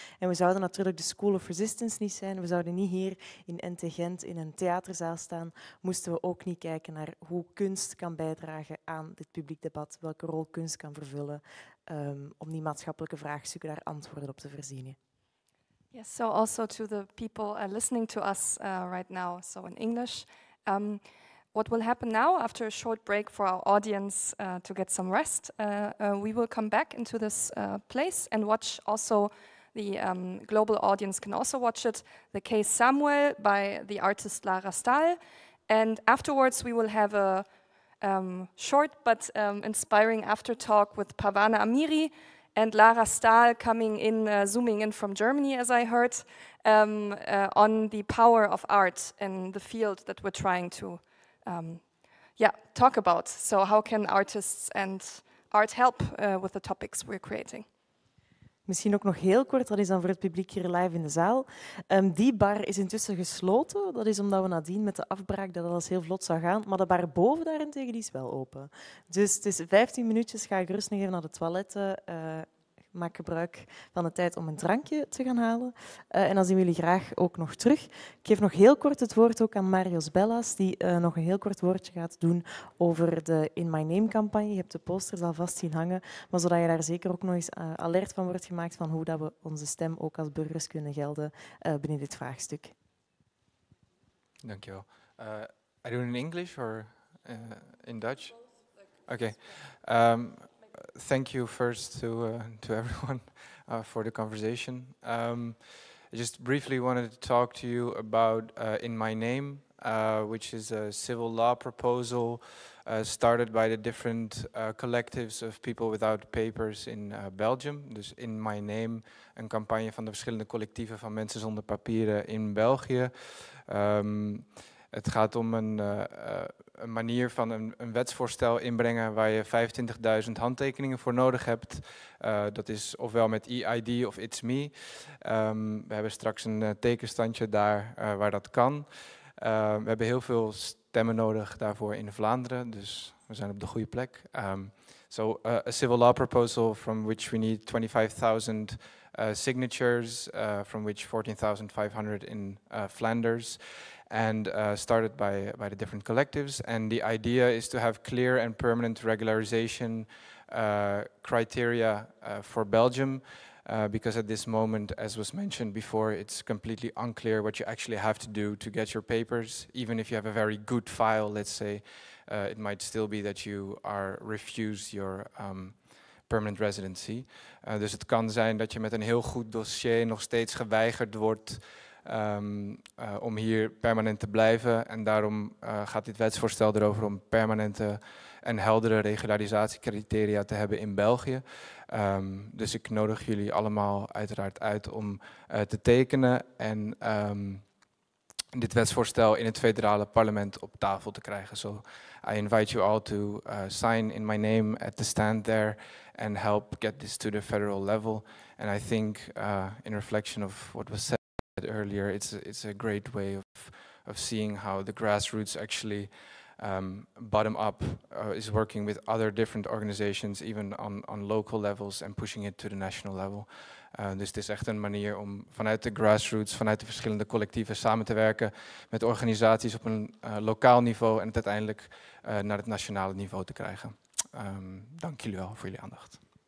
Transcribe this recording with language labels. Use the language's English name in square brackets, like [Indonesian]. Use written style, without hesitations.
[Dutch] En we zouden natuurlijk de School of Resistance niet zijn. We zouden niet hier in NTGent in een theaterzaal staan. Moesten we ook niet kijken naar hoe kunst kan bijdragen aan dit publiek debat. Welke rol kunst kan vervullen om die maatschappelijke vraagstukken daar antwoorden op te voorzien. [English] Yes, so also to the people listening to us right now, so in English. What will happen now, after a short break for our audience to get some rest, we will come back into this place and watch also, the global audience can also watch it, The Case Samuel by the artist Lara Staal. And afterwards we will have a short but inspiring after talk with Parwana Amiri and Lara Staal coming in, zooming in from Germany, as I heard, on the power of art in the field that we're trying to talk about. So how can artists and art help with the topics we're creating? [Dutch] Misschien ook nog heel kort, dat is dan voor het publiek hier live in de zaal. Die bar is intussen gesloten. Dat is omdat we nadien met de afbraak dat alles heel vlot zou gaan. Maar de bar boven daarentegen die is wel open. Dus het is 15 minuutjes, ga ik rustig even naar de toiletten. Maak gebruik van de tijd om een drankje te gaan halen. En dan zien we jullie graag ook nog terug. Ik geef nog heel kort het woord ook aan Marios Bellas, die nog een heel kort woordje gaat doen over de In My Name-campagne. Je hebt de posters alvast zien hangen, maar zodat je daar zeker ook nog eens alert van wordt gemaakt van hoe dat we onze stem ook als burgers kunnen gelden binnen dit vraagstuk. [English] Dankjewel. Are you in English or in Dutch? Oké. Okay. Thank you first to everyone for the conversation. I just briefly wanted to talk to you about In My Name, which is a civil law proposal started by the different collectives of people without papers in Belgium. [Dutch] Dus In My Name, een campagne van de verschillende collectieven van mensen zonder papieren in België. Het gaat om een manier van een wetsvoorstel inbrengen waar je 25.000 handtekeningen voor nodig hebt. Dat is ofwel met EID of It's Me. We hebben straks een tekenstandje daar waar dat kan. We hebben heel veel stemmen nodig daarvoor in Vlaanderen, dus we zijn op de goede plek. [English] A civil law proposal from which we need 25.000 signatures, from which 14.500 in Flanders. And started by the different collectives. And the idea is to have clear and permanent regularization criteria for Belgium, because at this moment, as was mentioned before, it's completely unclear what you actually have to do to get your papers. Even if you have a very good file, let's say, it might still be that you are refused your permanent residency. [Dutch] Dus het kan zijn dat je met een heel goed dossier nog steeds geweigerd wordt om hier permanent te blijven. En daarom gaat dit wetsvoorstel erover om permanente en heldere regularisatiecriteria te hebben in België. Dus ik nodig jullie allemaal uiteraard uit om te tekenen en dit wetsvoorstel in het federale parlement op tafel te krijgen. [English] So I invite you all to sign in my name at the stand there and help get this to the federal level. And I think in reflection of what was said earlier, it's a great way of seeing how the grassroots actually bottom-up is working with other different organizations, even on local levels, and pushing it to the national level. [Dutch] Dus het is echt een manier om vanuit de grassroots, vanuit de verschillende collectieven samen te werken met organisaties op een lokaal niveau en het uiteindelijk naar het nationale niveau te krijgen. Dank jullie wel voor jullie aandacht.